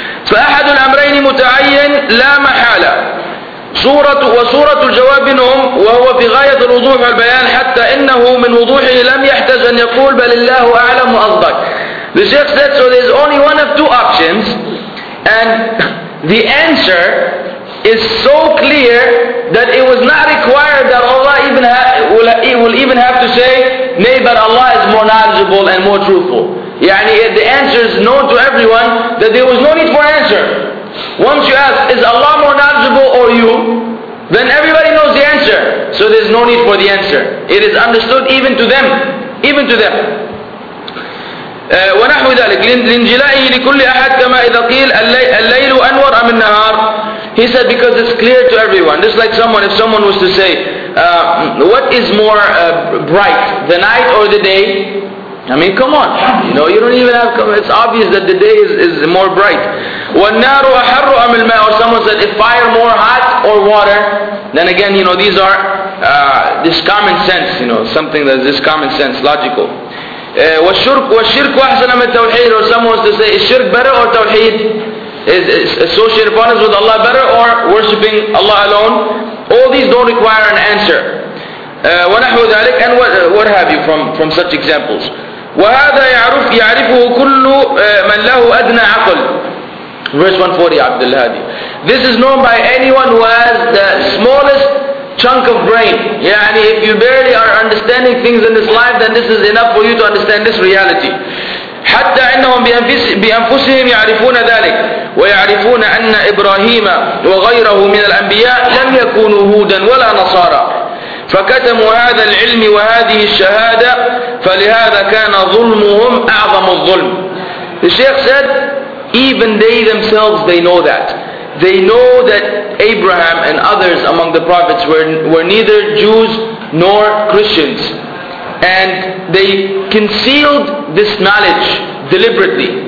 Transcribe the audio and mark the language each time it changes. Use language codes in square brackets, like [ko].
[ar] فأحد الأمرين متعين لا محالة صورة وصورة الجواب منهم وهو في غاية الوضوح والبيان حتى إنه من وضوحه لم يحتاج أن يقول بل الله أعلم أصدق. [en] The Shaykh said, so there is only one of two options, and the answer is so clear that it was not required that Allah even will even have to say, nay, but Allah is more knowledgeable and more truthful. Yani the answer is known to everyone, that there was no need for answer. Once you ask, is Allah more knowledgeable or you? Then everybody knows the answer. So there's no need for the answer. It is understood even to them. Even to them. [ar] ونحو ذلك لانجلائه لكل أحد كما إذا قيل الليل أنور أم النهار. [en] He said, because it's clear to everyone. Just like someone, if someone was to say, what is more bright, the night or the day? I mean, come on. No, you don't even have. It's obvious that the day is more bright. [ar] والنار أحر أم الماء. [en] Or someone said, if fire more hot or water? Then again, you know, these are this common sense. You know, something that is this common sense, logical. [ar] والشرك أحسن من التوحيد. [en] Or someone was to say, is shirk better or tawheed? Is associated partners with Allah better or worshipping Allah alone? All these don't require an answer. [ar] ونحو ذلك. [en] And what have you from such examples? [ar] وهذا يعرفه كل من له أدنى عقل. [en] Verse 140, عبد الهادي. This is known by anyone who has the smallest chunk of brain. يعني if you barely are understanding things in this life, then this is enough for you to understand this reality. [ar] حتى إنهم بأنفسهم يعرفون ذلك ويعرفون أن إبراهيم وغيره من الأنبياء لم يكونوا هودا ولا نصارى فكتموا هذا العلم وهذه الشهادة فلهذا كان ظلمهم أعظم الظلم. [en] The Shaykh said, even they themselves, they know that. They know that Abraham and others among the prophets were neither Jews nor Christians. And they concealed this knowledge deliberately.